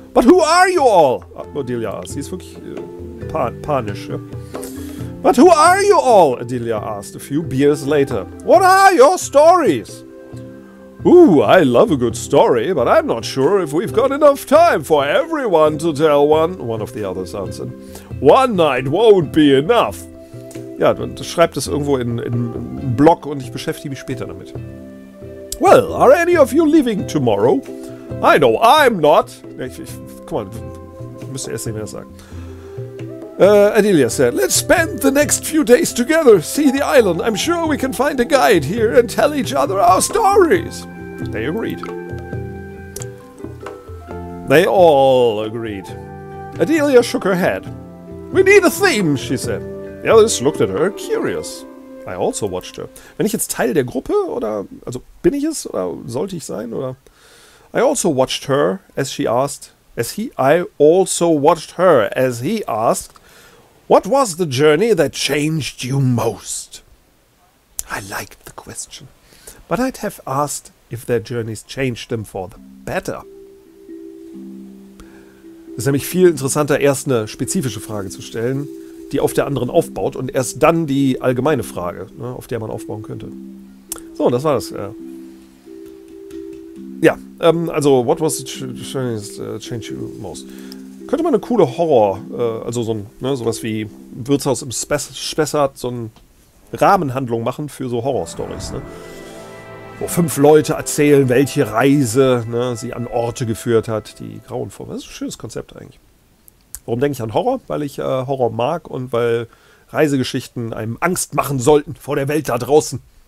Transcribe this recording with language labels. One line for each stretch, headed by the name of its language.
English: But who are you all? Adelia asked.
German: Sie ist wirklich panisch. Ja.
English: But who are you all? Adelia asked a few beers later. What are your stories? Ooh, I love a good story, but I'm not sure if we've got enough time for everyone to tell one. One of the others answered. One night won't be enough.
German: Ja, und schreibt es irgendwo in einen Blog und ich beschäftige mich später damit.
English: Well, are any of you leaving tomorrow? I know I'm not. Come on,
German: müsste erst nicht mehr sagen.
English: Adelia said, let's spend the next few days together, see the island. I'm sure we can find a guide here and tell each other our stories. They agreed. They all agreed. Adelia shook her head. We need a theme, she said. The others looked at her, curious. I also watched her.
German: Wenn ich jetzt Teil der Gruppe, oder, also bin ich es, oder sollte ich sein, oder?
English: I also watched her, as she asked, I also watched her, as he asked, what was the journey that changed you most? I liked the question, but I'd have asked if their journeys changed them for the better.
German: Es ist nämlich viel interessanter, erst eine spezifische Frage zu stellen, die auf der anderen aufbaut und erst dann die allgemeine Frage, ne, auf der man aufbauen könnte. So, das war das. Ja, also,
English: what was the change you most?
German: Könnte man eine coole Horror, also so ein, ne, sowas wie Wirtshaus im Spessart, so eine Rahmenhandlung machen für so Horror-Stories, ne? Wo fünf Leute erzählen, welche Reise, ne, sie an Orte geführt hat, die grauenvoll. Das ist ein schönes Konzept eigentlich. Warum denke ich an Horror? Weil ich Horror mag und weil Reisegeschichten einem Angst machen sollten vor der Welt da draußen.